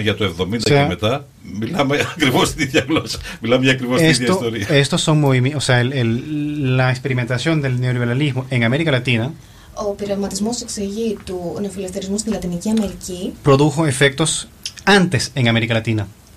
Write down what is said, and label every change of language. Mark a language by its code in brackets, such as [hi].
[el] για το 70 και μετά, μιλάμε ακριβώς την ίδια γλώσσα. Μιλάμε για ακριβώς την ίδια ιστορία. [es] Esto son movimientos, o sea, la experimentación del neoliberalismo en América Latina. [el] Ο πειραματισμός εξηγεί του νεοφιλελευθερισμού στην Λατινική Αμερική. [es] Produjo efectos antes en América Latina.